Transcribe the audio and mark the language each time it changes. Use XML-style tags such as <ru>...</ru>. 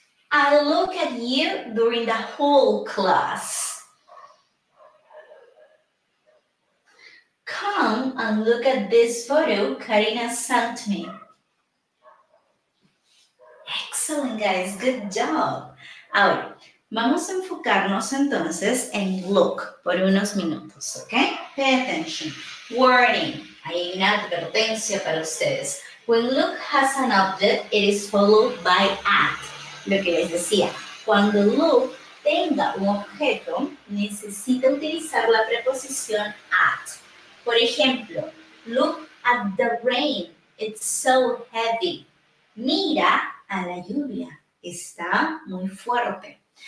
<en>I look at you during the whole class. Come and look at this photo Karina sent me. Excellent, guys. Good job.</en> <es>Ahora, vamos a enfocarnos entonces en look por unos minutos, ¿ok?</es> <en>Pay attention.</en> <es>Warning. Hay una advertencia para ustedes.</es> <en>When look has an object, it is followed by at.</en> <es>Lo que les decía, cuando look tenga un objeto, necesita utilizar la preposición at. Por ejemplo,</es> <en>look at the rain, it's so heavy.</en> <es>Mira a la lluvia, está muy fuerte.</es>